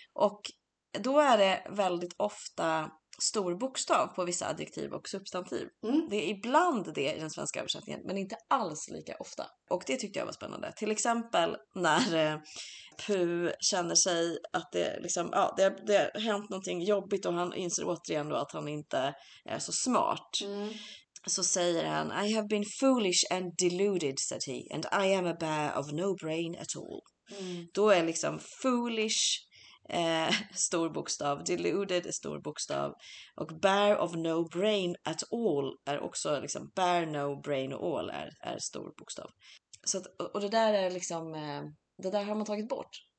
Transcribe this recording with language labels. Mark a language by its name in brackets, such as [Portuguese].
[Swedish] Och då är det väldigt ofta stor bokstav på vissa adjektiv och substantiv. Mm. Det är ibland det i den svenska översättningen, men inte alls lika ofta. Och det tyckte jag var spännande. Till exempel när Puh känner sig att det liksom, ja, det har hänt någonting jobbigt och han inser återigen då att han inte är så smart. Mm. Så säger han, [English] I have been foolish and deluded, said he, and I am a bear of no brain at all. Mm. [Swedish] Då är liksom foolish stor bokstav, deluded stor bokstav, och [English] bear of no brain at all [Swedish] är också liksom bear no brain all är stor bokstav. Så att, och det där är liksom, det där har man tagit bort.